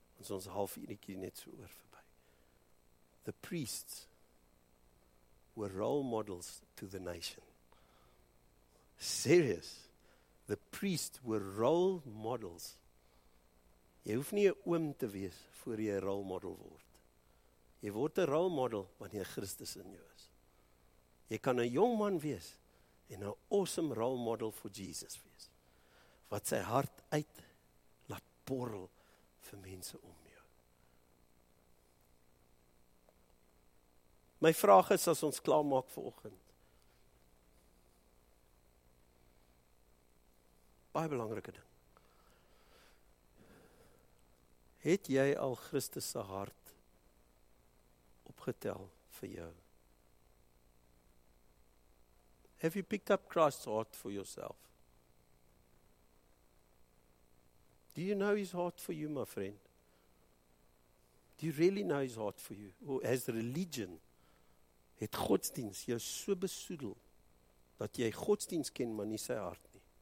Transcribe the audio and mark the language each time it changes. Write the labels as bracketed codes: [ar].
[af] Ons is half uurtjie net so oor verby. [en] The priests were role models to the nation. Serious. The priests were role models. [af] Jy hoef nie 'n oom te wees voor jy 'n role model word. Jy word 'n role model wanneer Christus in jou is. Jy kan 'n jong man wees en 'n awesome role model vir Jesus wees. Wat sy hart uit laat borrel vir mense om. My vraag is, as ons klaar maak vir oggend. Baie belangrike ding. Het jy al Christus se hart opgetel vir jou? [en] Have you picked up Christ's heart for yourself? Do you know his heart for you, my friend? Do you really know his heart for you? Or as religion, [af] het godsdienst jou so besoedel, dat jy godsdienst ken, maar nie sy hart nie.